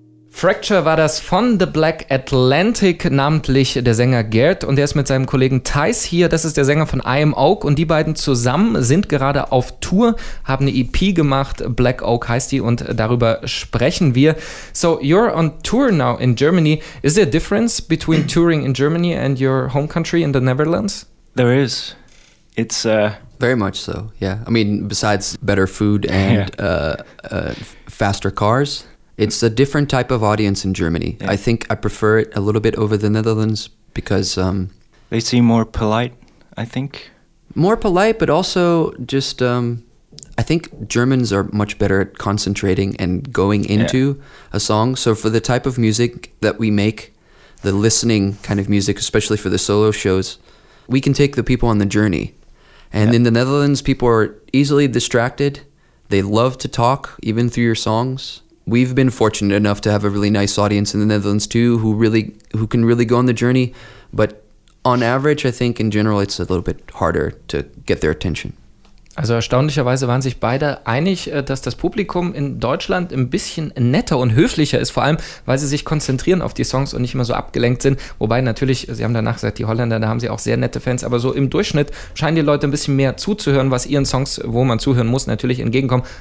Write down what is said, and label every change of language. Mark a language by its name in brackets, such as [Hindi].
[German] Fracture war das von The Black Atlantic, namentlich der Sänger Gerd, und der ist mit seinem Kollegen Thijs hier. Das ist der Sänger von I Am Oak, und die beiden zusammen sind gerade auf Tour, haben eine EP gemacht, Black Oak heißt die, und darüber sprechen wir. [English] So, you're on tour now in Germany. Is there a difference between touring in Germany and your home country in the Netherlands? There is. It's very much so, yeah. I mean, besides better food and faster cars. It's a different type of audience in Germany. Yeah. I think I prefer it a little bit over the Netherlands because... they seem more polite, I think. More polite, but also just... I think Germans are much better at concentrating and going into a song. So for the type of music that we make, the listening kind of music, especially for the solo shows, we can take the people on the journey. And in the Netherlands, people are easily distracted. They love to talk, even through your songs. We've been fortunate enough to have a really nice audience in the Netherlands too, who can really go on the journey. But on average, I think in general, it's a little bit harder to get their attention. [German] Also erstaunlicherweise waren sich beide einig, dass das Publikum in Deutschland ein bisschen netter und höflicher ist, vor allem, weil sie sich konzentrieren auf die Songs und nicht immer so abgelenkt sind. Wobei natürlich, sie haben danach gesagt, die Holländer, da haben sie auch sehr nette Fans, aber so im Durchschnitt scheinen die Leute ein bisschen mehr zuzuhören, was ihren Songs, wo man zuhören muss, natürlich entgegenkommen.